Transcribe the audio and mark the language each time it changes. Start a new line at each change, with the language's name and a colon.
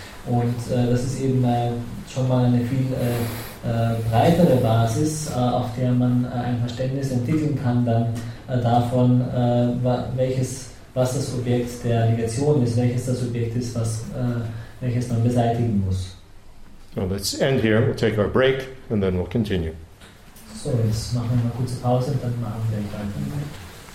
German: Und das ist eben schon mal eine viel breitere Basis, auf der man ein Verständnis entwickeln kann dann davon, was das Objekt der Negation ist, welches das Objekt ist, welches man beseitigen muss.
English: Well, let's end here, we'll take our break, and then we'll continue.
German: So, jetzt machen wir mal kurze Pause, und dann machen wir gleich weiter.